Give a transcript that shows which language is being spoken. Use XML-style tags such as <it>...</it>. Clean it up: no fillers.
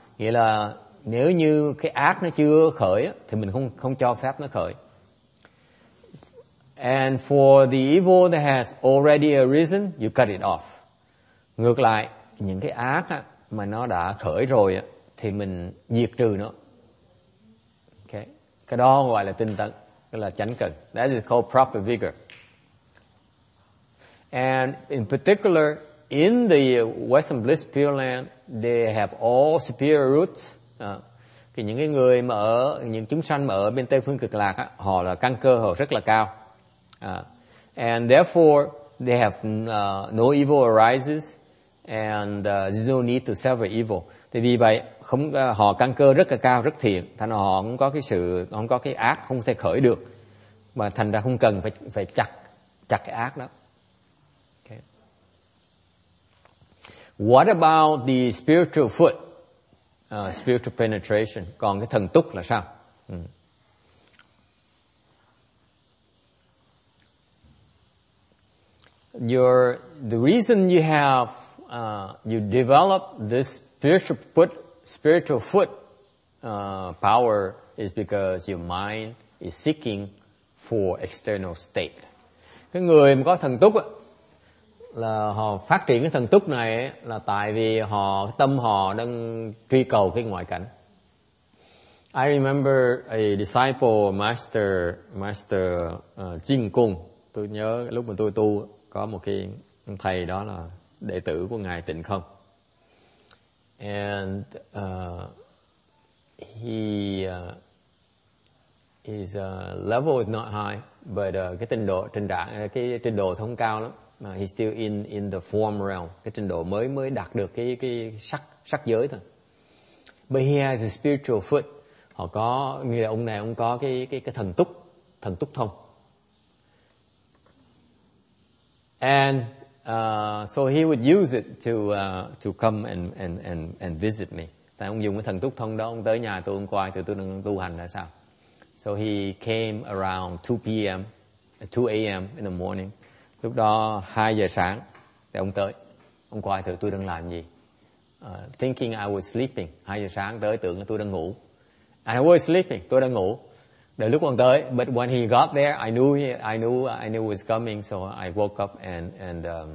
<vi>Nghĩa là nếu như cái ác nó chưa khởi thì mình không cho phép nó khởi.</vi> <en>And for the evil that has already arisen, you cut it off.</en> <vi>Ngược lại, những cái ác á, mà nó đã khởi rồi á, thì mình diệt trừ nó.</vi> <en>Okay.</en> <vi>Cái đó gọi là tinh tấn, gọi là chánh cần.</vi> <en>That is called proper vigor. And in particular, in the Western Bliss Pure Land, they have all superior roots.</en> <vi>Thì những cái người mà ở, những chúng sanh mà ở bên Tây phương Cực Lạc á, họ là căn cơ họ rất là cao.</vi> <en>And therefore, they have no evil arises, and there's no need to sever evil.</en> <vi>Tại vì vậy, họ căn cơ rất là cao, rất thiện, thành họ không có cái sự, không có cái ác, không thể khởi được, mà thành ra không cần phải chặt cái ác đó.</vi> <en>Okay. What about the spiritual foot, spiritual penetration?</en> <vi>Còn cái thần túc là sao?</vi> <en>The reason you have you develop this spiritual foot power is because your mind is seeking for external state.</en> <vi>Cái người mà có thần túc á, là họ phát triển cái thần túc này ấy, là tại vì họ tâm họ đang truy cầu cái ngoại cảnh.</vi> <en>I remember a disciple, master Jing Kung.</en> <vi>Tôi nhớ lúc mà tôi tu có một cái thầy đó là đệ tử của ngài Tịnh Không.</vi> <en>And his level is not high, but</en> <vi>cái trình độ không cao lắm.</vi> <en>He's still in the form realm,</en> <vi>cái trình độ mới đạt được cái sắc giới thôi.</vi> <en>But he has a spiritual foot.</en> <vi>Họ có, người ông này ông có cái thần túc thông.</vi> <en>And so he would use it to come and visit me.</en> <vi>Tại ông dùng cái thần túc thông đó, ông tới nhà tôi, ông coi tôi đang tu hành là sao.</vi> <en>So he came around 2 p.m. 2 a.m. in the morning.</en> <vi>Lúc đó 2 giờ sáng thì ông tới, ông coi thử tôi đang làm gì.</vi> <en>Thinking I was sleeping.</en> <vi>2 giờ sáng tới tưởng tôi đang ngủ.</vi> <en>I was sleeping.</en> <vi>Tôi đang ngủ. Đợi lúc ông tới,</vi> <en>but when he got there, I knew he was coming, so I woke up and</en>